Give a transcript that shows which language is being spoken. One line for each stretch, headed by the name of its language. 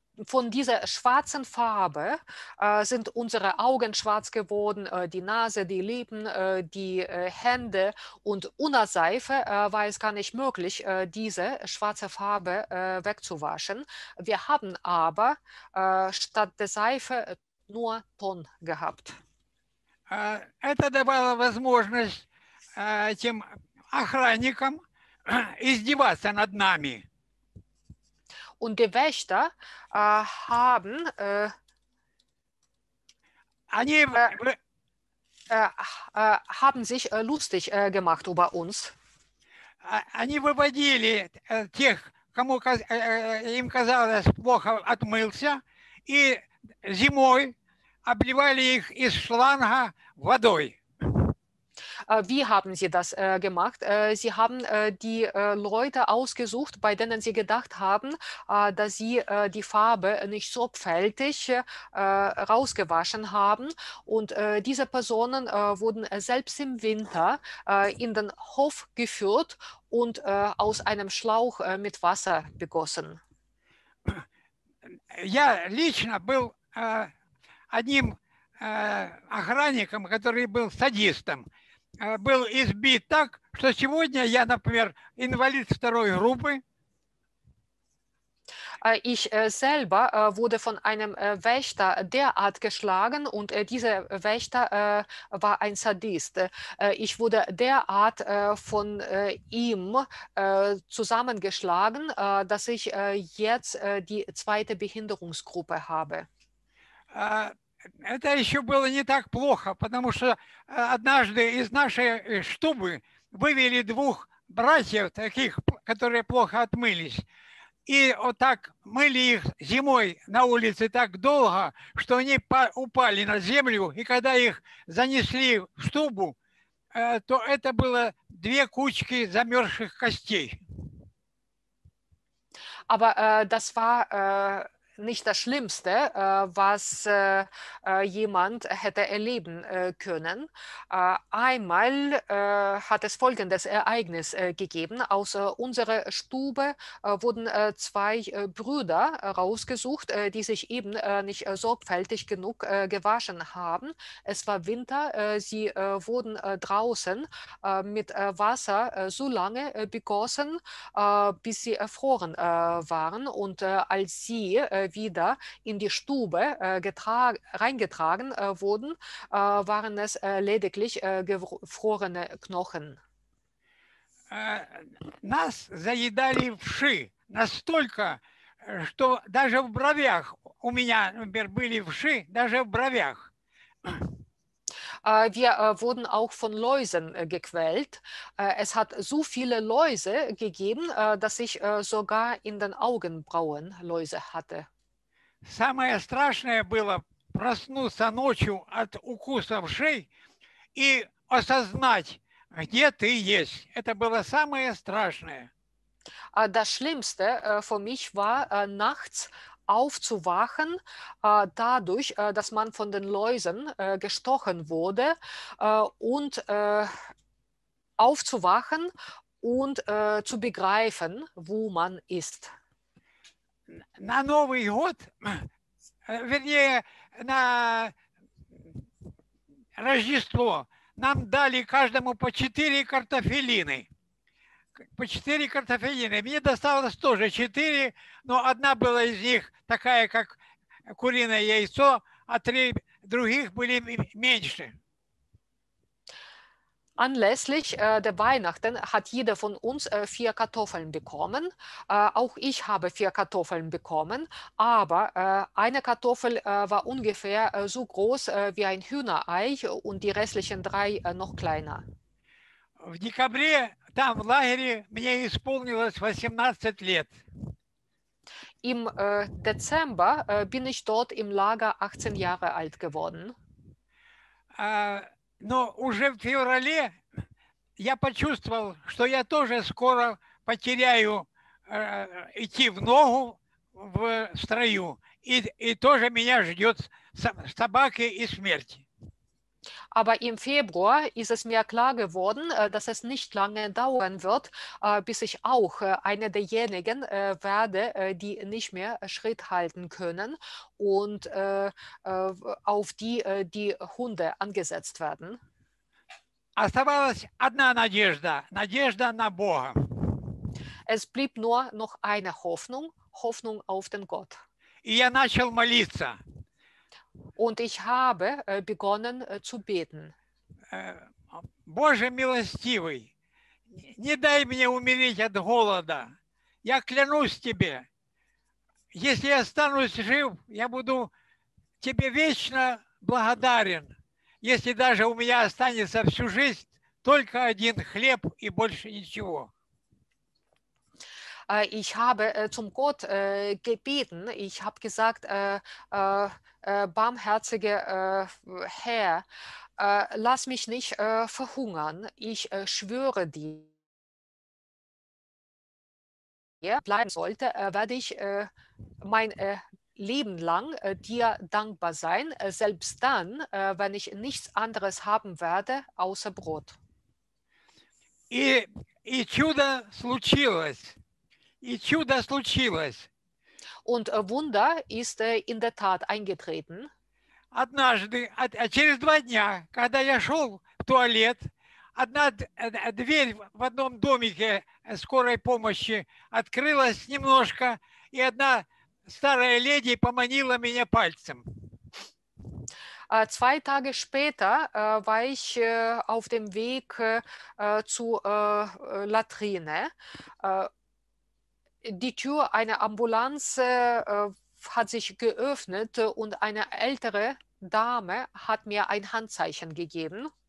German: Von dieser schwarzen Farbe sind unsere Augen schwarz geworden, die Nase, die Lippen, die Hände und ohne Seife war es gar nicht möglich, diese schwarze Farbe wegzuwaschen. Wir haben aber statt der Seife nur Ton gehabt.
Russian: Это давало возможность этим охранникам издеваться над нами.
German: Und die Wächter haben haben sich lustig gemacht über uns.
Russian: Они выводили тех, кому им казалось плохо отмылся, и зимой обливали их из шланга водой.
German: Wie haben Sie das gemacht? Sie haben die Leute ausgesucht, bei denen Sie gedacht haben, dass Sie die Farbe nicht sorgfältig rausgewaschen haben. Und diese Personen wurden selbst im Winter in den Hof geführt und aus einem Schlauch mit Wasser begossen.
Russian: Я лично был одним охранником, который был садистом. Был избит так, что сегодня я, например, инвалид второй группы.
German: Ich selber wurde von einem Wächter derart geschlagen und dieser Wächter war ein Sadist. Ich wurde derart von ihm zusammengeschlagen, dass ich jetzt die zweite Behinderungsgruppe habe.
Russian: Это еще было не так плохо, потому что однажды из нашей штубы вывели двух братьев таких, которые плохо отмылись. И вот так мыли их зимой на улице так долго, что они упали на землю. И когда их занесли в штубу, то это было две кучки замерзших костей.
German: Aber das war nicht das Schlimmste, was jemand hätte erleben können. Einmal hat es folgendes Ereignis gegeben. Aus unserer Stube wurden zwei Brüder rausgesucht, die sich eben nicht sorgfältig genug gewaschen haben. Es war Winter, sie wurden draußen mit Wasser so lange begossen, bis sie erfroren waren. Und als sie wieder in die Stube reingetragen wurden, waren es lediglich gefrorene Knochen.
Russian: Нас заедали вши настолько, что даже в бровях у меня, например, были вши, даже в бровях.
German: Wir wurden auch von Läusen gequält. Es hat so viele Läuse gegeben, dass ich sogar in den Augenbrauen Läuse hatte.
Russian: Самое страшное было проснуться ночью от укуса вшей и осознать, где ты есть. Это было самое страшное.
German: Das Schlimmste für mich war nachts aufzuwachen, dadurch, dass man von den Läusen gestochen wurde, und aufzuwachen und zu begreifen, wo man ist.
Russian: На Новый год, вернее, на Рождество нам дали каждому по 4 картофелины. По 4 картофелины. Мне досталось тоже 4, но одна была из них такая, как куриное яйцо, а 3 других были меньше.
German: Anlässlich der Weihnachten hat jeder von uns 4 Kartoffeln bekommen. Auch ich habe 4 Kartoffeln bekommen, aber eine Kartoffel war ungefähr so groß wie ein Hühnerei und die restlichen 3 noch kleiner.
Russian: В декабре там в лагере мне исполнилось 18 лет.
German: Im Dezember bin ich dort im Lager 18 Jahre alt geworden.
Russian: Но уже в феврале я почувствовал, что я тоже скоро потеряю идти в ногу в строю. И тоже меня ждет собаки и смерть.
German: Aber im Februar ist es mir klar geworden, dass es nicht lange dauern wird, bis ich auch eine derjenigen werde, die nicht mehr Schritt halten können und auf die die Hunde angesetzt werden.
Russian: Оставалась одна надежда, надежда на Бога.
German: Es blieb nur noch eine Hoffnung, Hoffnung auf den Gott.
Russian: И я начал молиться.
German: Und ich habe begonnen zu beten.
Russian: Боже милостивый, не дай мне умереть от голода. Я клянусь тебе, если я останусь жив, я буду тебе вечно благодарен. Если даже у меня останется всю жизнь только один хлеб и больше ничего.
German: Ich habe zum Gott gebeten. Ich habe gesagt, barmherziger Herr, lass mich nicht verhungern. Ich schwöre dir, bleiben sollte, werde ich mein Leben lang dir dankbar sein, selbst dann, wenn ich nichts anderes haben werde, außer Brot.
Russian: И чудо случилось. И чудо случилось.
German: Und Wunder ist in der Tat eingetreten.
Russian: Однажды, через два дня, когда я шел в туалет, одна дверь в одном домике скорой помощи открылась немножко, и одна старая леди поманила меня пальцем.
German: Zwei Tage später war ich auf dem Weg zu Latrine. Die Tür einer Ambulanz hat sich geöffnet und eine ältere Dame hat mir ein Handzeichen gegeben.